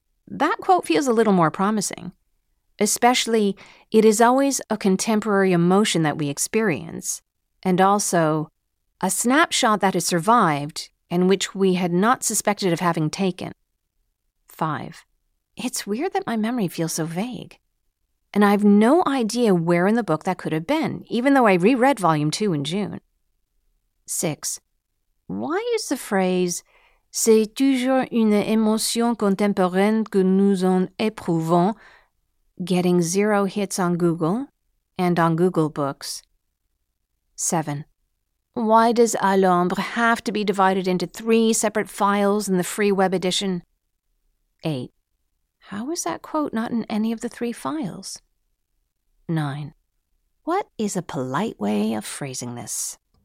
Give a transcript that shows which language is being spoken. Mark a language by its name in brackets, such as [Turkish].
[English] That quote feels a little more promising. Especially, it is always a contemporary emotion that we experience, and also a snapshot that has survived and which we had not suspected of having taken. 5. It's weird that my memory feels so vague, and I have no idea where in the book that could have been, even though I reread Volume 2 in June. 6. Why is the phrase, [French] c'est toujours une émotion contemporaine que nous en éprouvons, [English] getting 0 hits on Google and on Google Books? 7. Why does À l'ombre have to be divided into 3 separate files in the free web edition? 8. How is that quote not in any of the 3 files? 9. What is a polite way of phrasing this?